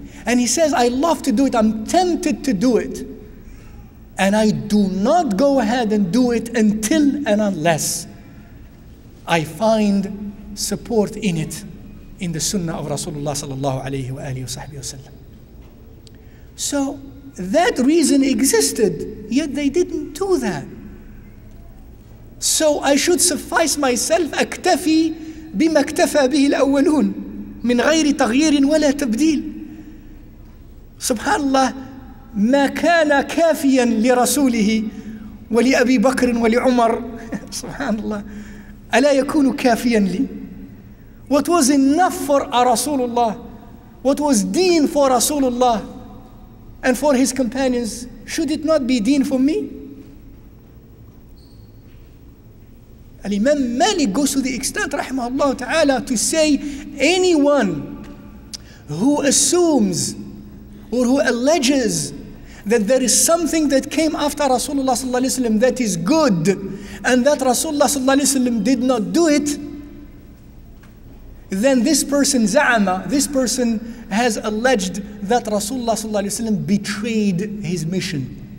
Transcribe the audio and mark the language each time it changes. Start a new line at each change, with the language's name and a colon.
English: And he says, I love to do it, I'm tempted to do it. And I do not go ahead and do it until and unless I find support in it, in the sunnah of Rasulullah sallallahu alayhi wa alihi wa sahbihi wa sallam. So that reason existed, yet they didn't do that. So I should suffice myself,
Arabic: أكتفي بما اكتفى به الأولون من غير تغيير ولا تبديل. Subhanallah, ما كان كافيا لرسوله ولأبي بكر ولعمر. Subhanallah, ألا يكون كافيا لي.
English: What was enough for a Rasulullah, what was deen for Rasulullah and for his companions, should it not be deen for me? Al-Imam Malik goes to the extent, rahimahullah ta'ala, to say anyone who assumes or who alleges that there is something that came after Rasulullah sallallahu alayhi wa sallam that is good and that Rasulullah sallallahu alayhi wa sallam did not do it, then this person za'ama, this person has alleged that Rasulullah sallallahu alayhi wa sallam betrayed his mission.